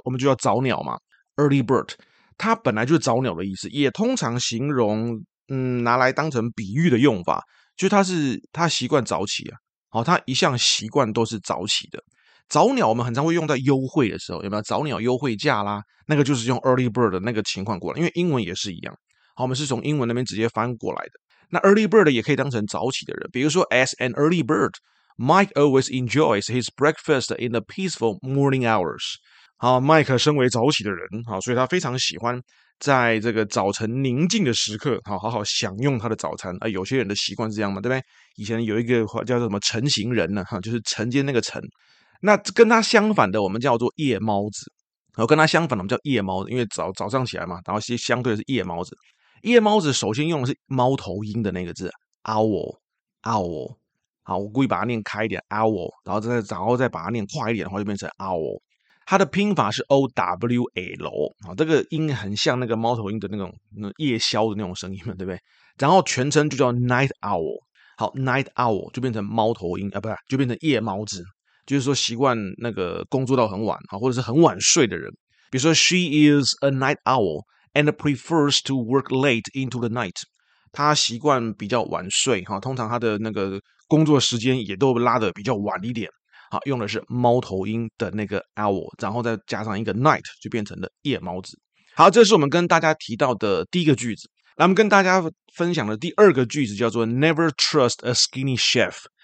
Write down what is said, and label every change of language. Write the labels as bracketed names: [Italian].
[Chinese] 我们就叫早鸟嘛， early bird， 它本来就是早鸟的意思，也通常形容拿来当成比喻的用法，就它习惯早起啊，好，它一向习惯都是早起的。早鸟我们很常会用在优惠的时候，有没有早鸟优惠价啦，那个就是用 early bird 的那个情况过来，因为英文也是一样，好，我们是从英文那边直接翻过来的。 [English] 那 early bird [Chinese] 也可以当成早起的人，比如说 [English] as an early bird Mike always enjoys his breakfast in the peaceful morning hours。 [Chinese] 好， Mike 身为早起的人，好，所以他非常喜欢在这个早晨宁静的时刻，好好好享用他的早餐。有些人的习惯是这样嘛，对不对？以前有一个叫做什么晨行人呢，就是晨间那个晨。那跟他相反的我们叫做夜猫子，跟他相反的我们叫夜猫子，因为 早上起来嘛，然后相对的是夜猫子。夜猫子首先用的是猫头鹰的那个字 owl， 好，我故意把它念开一点 owl， 然后再把它念快一点的话就变成 owl。它的拼法是 owl， 这个音很像那个猫头鹰的那种那夜宵的那种声音嘛，对不对？然后全称就叫 night owl， 好， night owl 就变成猫头鹰啊，不是，就变成夜猫子，就是说习惯那个工作到很晚或者是很晚睡的人。比如说 [English] she is a night owlAnd prefers to work late into the night. [Chinese] 他习惯比较晚睡，通常他的那个工作时间也都拉得比较晚一点。好，用的是猫头鹰的那个 owl， 然后再加上一个 night， 就变成了夜猫子。好，这是我们跟大家提到的第一个句子。那我们跟大家分享的第二个句子叫做 [English] Never trust a skinny chef。